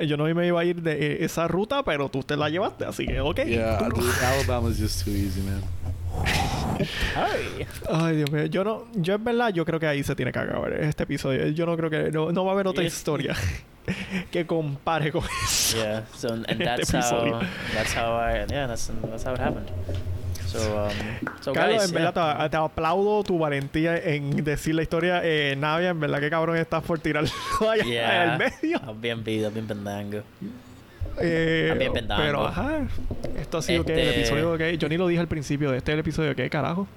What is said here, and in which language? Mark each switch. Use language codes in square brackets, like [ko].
[es] Yo no me iba a ir de esa ruta, pero tú te la llevaste, así que okay. [en] Yeah, Alabama is just too easy, man. [es] Hey. Ay, Dios mío. Yo no, yo en verdad, yo creo que ahí se tiene que acabar este episodio. Yo no creo que no va a haber otra historia que compare con eso. [en] Yeah. So and that's este how that's how it happened. So Carlos, guys, [es] en verdad te aplaudo tu valentía en decir la historia. Navia, en verdad que cabrón estás por tirarlo allá al medio. Bien pendango. Pero ajá, esto ha sido el episodio que yo ni lo dije al principio de este el episodio que carajo.